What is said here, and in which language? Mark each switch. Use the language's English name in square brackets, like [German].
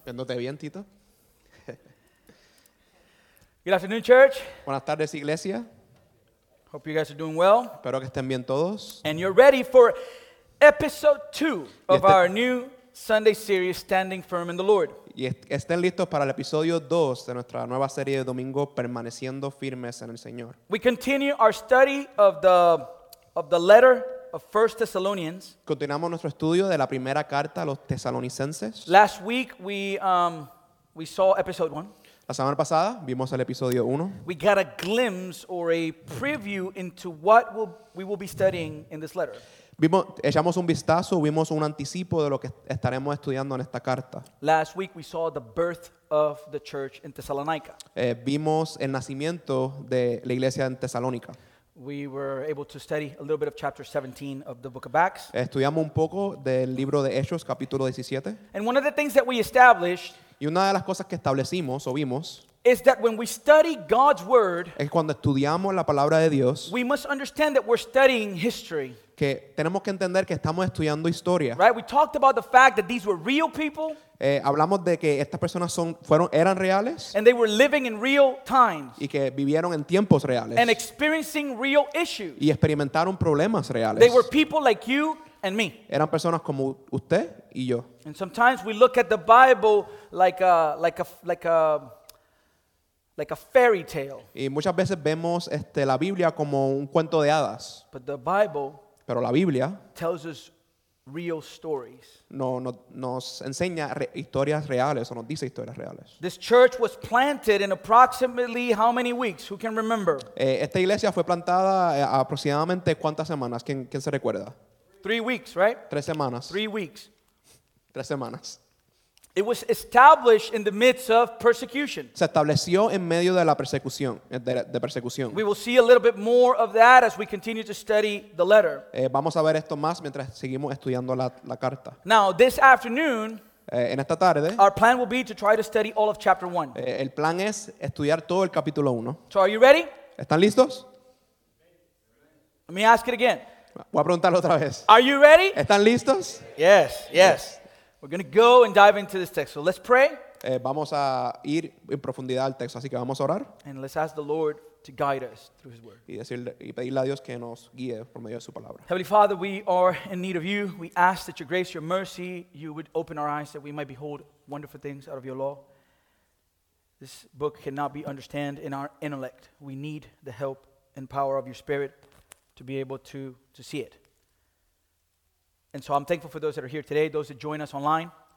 [Spanish] Viéndote bien, Tito. [English] Good afternoon, church. [Spanish] Buenas tardes, iglesia. [English] Hope you guys are doing well. [Spanish] Espero que estén bien todos. [English] And you're ready for episode 2 of our new Sunday series, Standing Firm in the Lord. [Spanish] Y estén listos para el episodio 2 de nuestra nueva serie de domingo, Permaneciendo Firmes en el Señor. [English] We continue our study of the letter of 1 Thessalonians. [Spanish] Continuamos nuestro estudio de la primera carta a los tesalonicenses. [English] Last week we saw episode 1. [Spanish] La semana pasada vimos el episodio 1. [English] We got a glimpse or a preview into what we will be studying in this letter. [Spanish] Echamos un vistazo, vimos un anticipo de lo que estaremos estudiando en esta carta. [English] Last week we saw the birth of the church in Thessalonica. [Spanish] Vimos el nacimiento de la iglesia en Tesalónica. [English] We were able to study a little bit of chapter 17 of the book of Acts. [Spanish] Estudiamos un poco del libro de Hechos, capítulo 17. [English] And one of the things that we established, [Spanish] y una de las cosas que establecimos o vimos, [English] is that when we study God's word, [Spanish] es cuando estudiamos la palabra de Dios, [English] we must understand that we're studying history. [Spanish] Que tenemos que entender que estamos estudiando historia. [English] Right? We talked about the fact that these were real people. [Spanish] Hablamos de que estas personas eran reales. [English] And they were living in real times. [Spanish] Y que vivieron en tiempos reales. [English] And experiencing real issues. [Spanish] Y experimentaron problemas reales. [English] They were people like you and me. [Spanish] Eran personas como usted y yo. [English] And sometimes we look at the Bible like a fairy tale. [Spanish] Y muchas veces vemos la Biblia como un cuento de hadas. [English] But the Bible, [Spanish] pero la Biblia, [English] tells us real stories. [Spanish] Nos enseña historias reales o nos dice historias reales. [English] This church was planted in approximately how many weeks? Who can remember? [Spanish] Esta iglesia fue plantada aproximadamente cuántas semanas? ¿Quién se recuerda? [English] 3 weeks, right? [Spanish] 3 semanas. [English] 3 weeks. [Spanish] 3 semanas. [English] It was established in the midst of persecution. [Spanish] Se estableció en medio de la persecución, de persecución. [English] We will see a little bit more of that as we continue to study the letter. [Spanish] Vamos a ver esto más mientras seguimos estudiando la carta. [English] Now, this afternoon, [Spanish] en esta tarde, [English] our plan will be to try to study all of chapter 1. [Spanish] El plan es estudiar todo el capítulo 1. [English] So, are you ready? [Spanish] ¿Están listos? [English] Let me ask it again. [Spanish] Voy a preguntarlo otra vez. [English] Are you ready? [Spanish] ¿Están listos? [English] Yes, yes. We're going to go and dive into this text. So let's pray. [Spanish] Vamos a ir en profundidad al texto, así que vamos a orar. [English] And let's ask the Lord to guide us through his word. [Spanish] Y pedirle a Dios que nos guíe por medio de su palabra. [English] Heavenly Father, we are in need of you. We ask that your grace, your mercy, you would open our eyes that we might behold wonderful things out of your law. This book cannot be understood in our intellect. We need the help and power of your spirit. to be able to see it. And so I'm thankful for those that are here today, those that join us online.